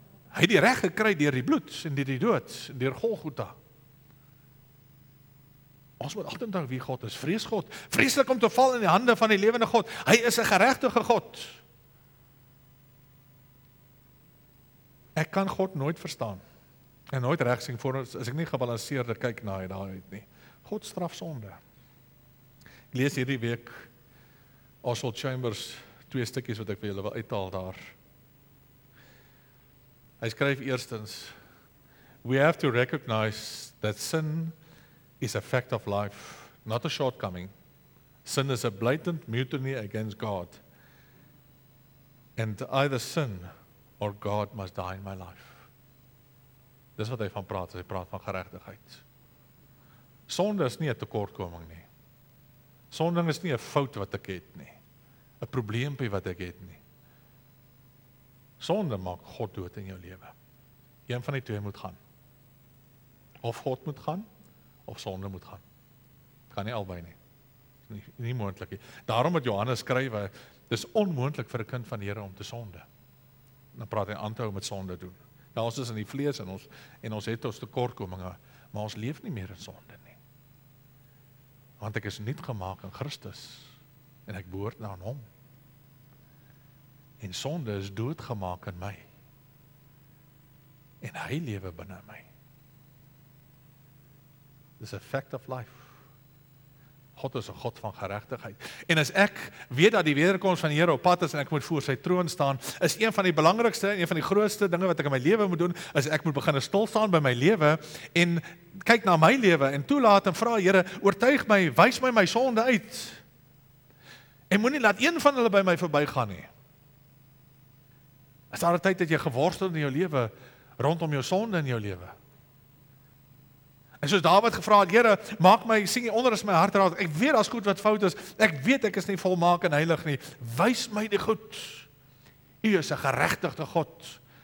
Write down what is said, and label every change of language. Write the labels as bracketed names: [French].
[Afrikaans] Hy het die reg gekry deur die bloed en deur die dood, deur Golgotha. Ons moet altyd onthou wie God is. Vrees God. Vreeslik om te val in die hande van die lewende God. Hy is 'n geregtige God. Ek kan God nooit verstaan. En nooit reg sien voor ons, as ek nie gebalanseerde kyk na hy daar uit nie. God straf sonde. Ek lees hierdie week Oswald Chambers, twee stukkies wat ek vir julle wil uithaal daar. [English] Hy skryf eerstens, we have to recognize that sin is a fact of life, not a shortcoming. Sin is a blatant mutiny against God. And either sin or God must die in my life. [Afrikaans] Dis wat hy van praat, hy praat van geregtigheid. Sonde is nie 'n tekortkoming nie. Sonde is nie 'n fout wat ek het nie. 'n Probleempie wat ek het nie. Sonde maak God dood in jou lewe. Een van die twee moet gaan. Of God moet gaan, of sonde moet gaan. Kan nie albei nie. Nie moontlik nie. Daarom het Johannes skryf, dis onmoontlik vir 'n kind van die Here om te sonde. Dan praat hy aanhou met sonde doen. Ja, ons is in die vlees en ons het ons tekortkominge, maar ons leef nie meer in sonde nie. Want ek is nuut gemaak in Christus en ek behoort aan hom. En sonde is doodgemaak in my. En hy lewe binne my. Dis 'n [English] fact of life. [Afrikaans] God is 'n God van geregtigheid. En as ek weet dat die wederkoms van die Here op pad is en ek moet voor sy troon staan, is een van die belangrikste en een van die grootste dinge wat ek in my lewe moet doen, is ek moet begin stil staan by my lewe en kyk na my lewe en toelaat en vra Here, oortuig my, wys my my sonde uit. En moenie laat een van hulle by my verbygaan nie. As daar 'n tyd dat jy geworstel in jou lewe rondom jou sonde in jou lewe. En soos Dawid gevra het, Here, maak my sien onder is my hart raak. Ek weet daar's goed wat fout is. Ek weet ek is nie volmaak en heilig nie. Wys my die goed. U is 'n geregtige God.